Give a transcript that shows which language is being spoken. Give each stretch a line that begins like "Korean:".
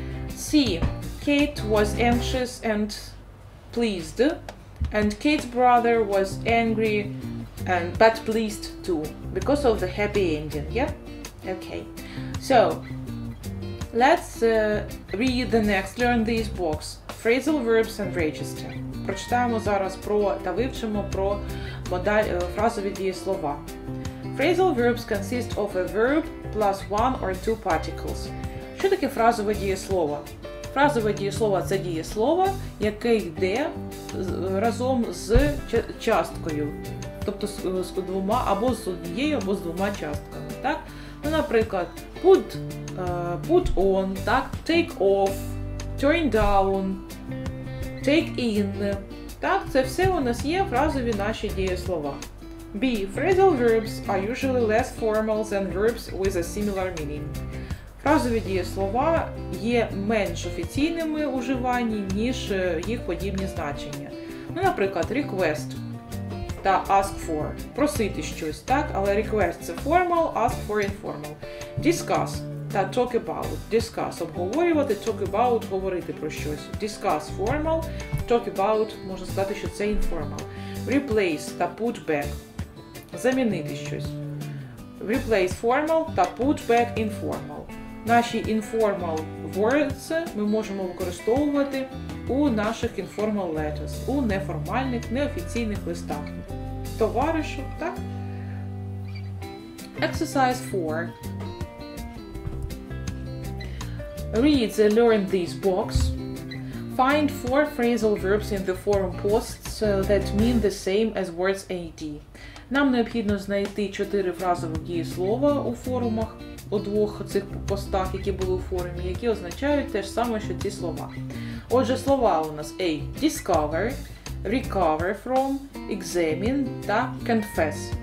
English: see, Kate was anxious and pleased, and Kate's brother was angry and but pleased too, because of the happy ending. Yeah, okay, so let's read the next, learn these books, phrasal verbs and register.
Ukrainian: Прочитаємо зараз про та вивчимо про модаль фразові дієслова.
English: Phrasal verbs consist of a verb plus one or two particles.
Ukrainian: Що таке фразове дієслово? Фразове дієслово – це дієслово, яке йде разом з часткою, тобто з двома, або з однією, або з двома частками. Так? Ну, наприклад, put on, так?
English: Take off, turn down, take in. Так?
Ukrainian: Це все у нас є фразові наші дієслова.
English: B. Phrasal verbs are usually less formal than verbs with a similar meaning.
Ukrainian: Фразові дієслова є менш офіційними у вживанні, ніж їх подібні значення. Ну, наприклад, request та ask for – просити щось, так?
English: Але request – це formal, ask for – informal. Discuss та talk about – discuss –
Ukrainian: обговорювати,
English: talk about –
Ukrainian: говорити про щось.
English: Discuss – formal, talk about –
Ukrainian: можна сказати, що це
English: informal.
Ukrainian: Replace та put back – замінити щось.
English: Replace – formal
Ukrainian: та put back – informal. Наші informal words ми можемо використовувати у наших informal letters, у неформальних, неофіційних листах. Товаришу, так?
English: Exercise 4. Read the Learn This box. Find 4 phrasal verbs in the forum posts that mean the same as words AD.
Ukrainian: Нам необхідно знайти 4 фразові дієслова у форумах. У двох цих постах, які були у форумі, які означають те ж саме, що ці слова. Отже, слова у нас A – discover, recover from, examine та confess.